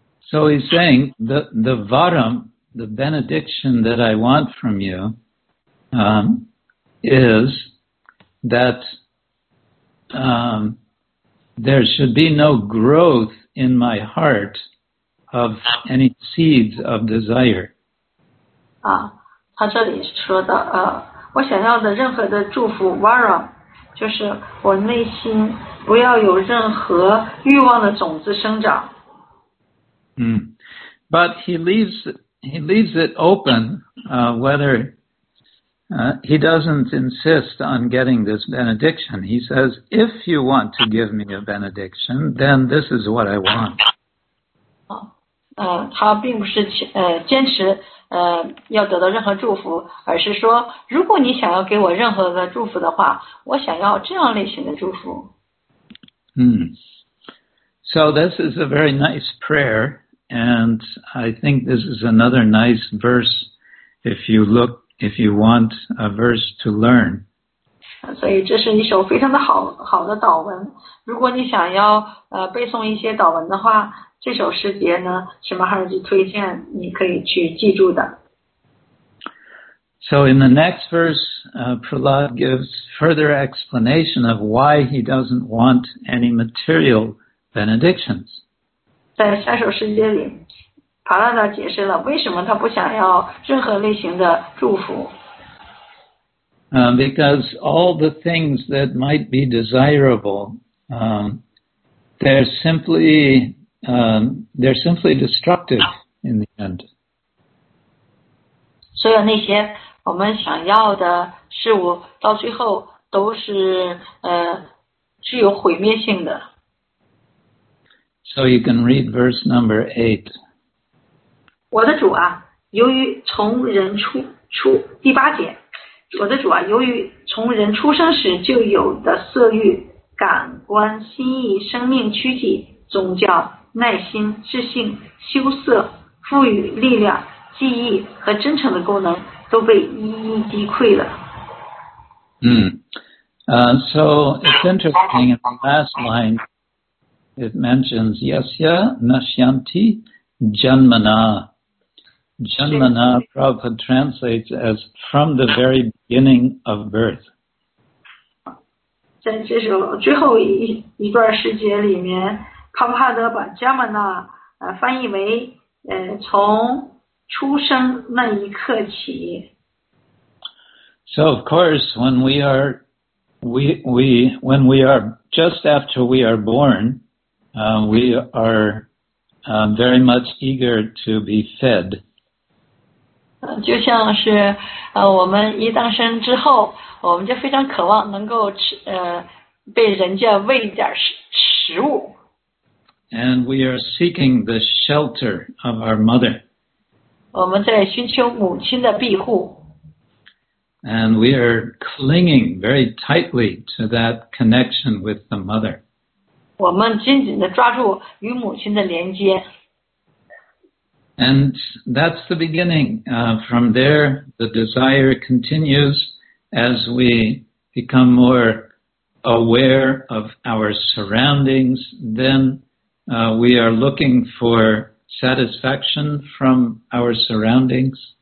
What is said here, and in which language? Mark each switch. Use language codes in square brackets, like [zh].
[en] So he's saying the varam, the benediction that I want from you, is that there should be no growth in my heart of any seeds of desire. [zh] 他这里说的我想要的任何的祝福 varam, 就是我内心不要有任何欲望的种子生长。 [en] But he leaves it open whether he doesn't insist on getting this benediction. He says, if you want to give me a benediction, then this is what I want. [zh] 他并不是坚持要得到任何祝福，而是说，如果你想要给我任何的祝福的话，我想要这样类型的祝福。 [en] So this is a very nice prayer. And I think this is another nice verse if you want a verse to learn. [zh] 所以这是一首非常的好的祷文。如果你想要背诵一些祷文的话，这首诗节呢是马哈尔吉推荐你可以去记住的。 [en] So in the next verse, Prahlad gives further explanation of why he doesn't want any material benedictions. [zh] 在下首诗节里，帕拉达解释了为什么他不想要任何类型的祝福。 [en] Because all the things that might be desirable, they're simply destructive in the end. [zh] 所有那些我们想要的事物，到最后都是具有毁灭性的。 [en] So you can read verse number 8. [zh] 我的主啊，由于从人出第八节，我的主啊，由于从人出生时就有的色欲，感官、心意、生命、躯体、宗教、耐心、智性、羞涩、赋予力量、记忆和真诚的功能都被一一击溃了。 [en] So it's interesting, in the last line, it mentions [sa] yasya nashyanti janmana. [en] Janmana, Prabhupada translates as from the very beginning of birth. [zh] 在这首最后 一段诗节里面，帕帕德把 Janmana 翻译为从出生那一刻起。 [en] So of course, when we are just after we are born, we are very much eager to be fed. [zh] 就像是我们一诞生之后，我们就非常渴望能够吃被人家喂一点食物。 [en] And we are seeking the shelter of our mother. [zh] 我们在寻求母亲的庇护。 [en] And we are clinging very tightly to that connection with the mother. [zh] 我们紧紧地抓住与母亲的连接。 [en] And that's the beginning. From there, the desire continues as we become more aware of our surroundings. Then we are looking for satisfaction from our surroundings.